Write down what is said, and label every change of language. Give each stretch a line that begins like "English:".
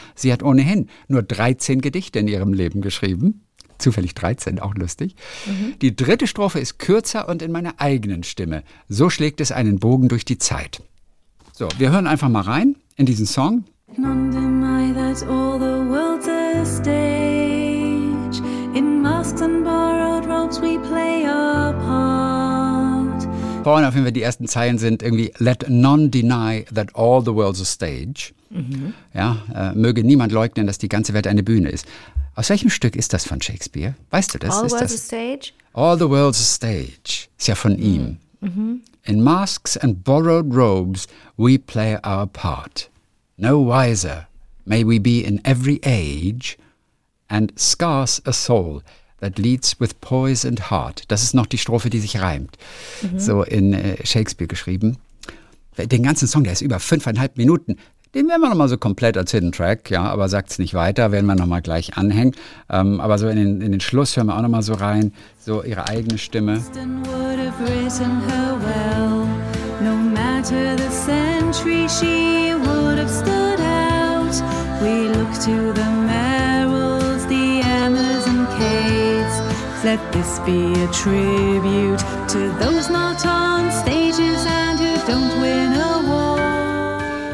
German: Sie hat ohnehin nur 13 Gedichte in ihrem Leben geschrieben. Zufällig 13, auch lustig. Mhm. Die dritte Strophe ist kürzer und in meiner eigenen Stimme. So schlägt es einen Bogen durch die Zeit. So, wir hören einfach mal rein in diesen Song.
English: Stage in masks and borrowed robes we play a part.
German: Vorne auf jeden Fall die ersten Zeilen sind irgendwie
English: let none deny that all the world's a stage.
German: Mhm. Ja, möge niemand leugnen, dass die ganze Welt eine Bühne ist. Aus welchem Stück ist das von Shakespeare? Weißt du das?
English: All
German: ist
English: world's
German: das?
English: A stage? All the world's a stage.
German: Ist ja von ihm.
English: Mhm. In masks and borrowed robes we play our part. No wiser may we be in every age and scarce a soul that leads with poise and heart.
German: Das ist noch die Strophe, die sich reimt. Mhm. So in Shakespeare geschrieben. Den ganzen Song, der ist über 5,5 Minuten. Den werden wir nochmal so komplett als Hidden Track, ja, aber sagt es nicht weiter, werden wir nochmal gleich anhängen. Aber so in den Schluss hören wir auch nochmal so rein. So ihre eigene Stimme.
English: No matter the century she would have stood out. We look to the Merrills, the Emmas and Kates. Let this be a tribute to those not on stages and who don't win a war.